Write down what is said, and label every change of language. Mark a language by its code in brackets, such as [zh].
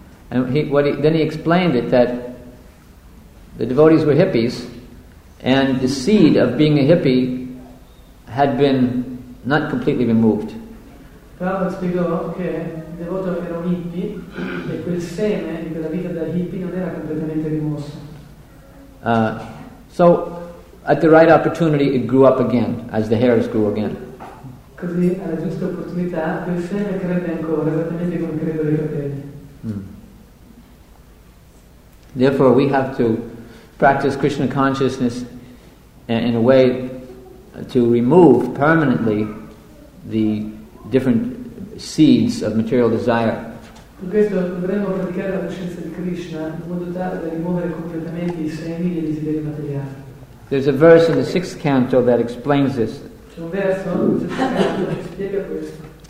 [en] And then he explained it that the devotees were hippies, and the seed of being a hippie had been not completely removed. [it] Prabhupada spiegò che il devoto era un hippie e quel seme di quella vita da hippie non era completamente rimosso. [en] So, at the right opportunity, it grew up again as the hairs grew again. [it] Così alla giusta opportunità quel seme crebbe ancora esattamente come crebbero i capelli. [en] Therefore, we have to practice Krishna consciousness in a way to remove permanently the different seeds of material desire. [it] Per questo dovremmo praticare la coscienza di Krishna in modo tale da rimuovere completamente i semi dei desideri materiali. [en] There's a verse in the sixth canto that explains this. [it] C'è un verso nel sesto canto che spiega questo.